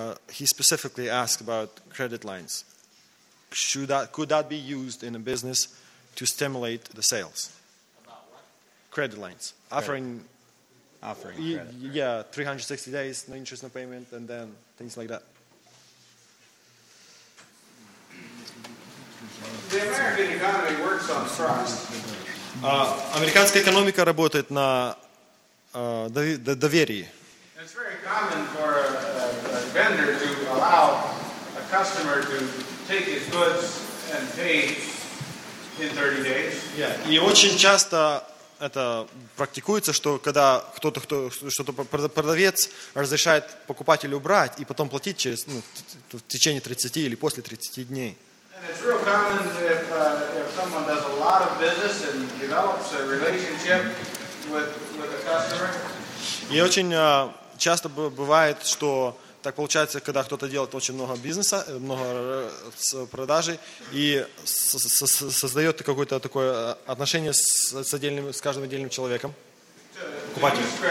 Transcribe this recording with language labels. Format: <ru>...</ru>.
<en>He specifically asked about credit lines. Could that be used in a business to stimulate the sales? Credit lines. Offering credit. Yeah, 360 days, no interest, no payment, and then things like that. The American economy works on trust.</en> <ru>Американская экономика работает на доверии.</ru> <en>It's very common for a vendor to allow a customer to take his goods and pay in 30 days.</en> <ru>Yeah. И очень часто это практикуется, что когда что-то продавец разрешает покупателю брать и потом платить через, ну, в течение 30 или после 30 дней.</ru> <en>And it's real common if someone does a lot of business and develops a relationship with a customer.</en> <ru>И очень часто бывает, что так получается, когда кто-то делает очень много бизнеса, много продажи и создает какое-то такое отношение с каждым отдельным человеком, покупателем.</ru>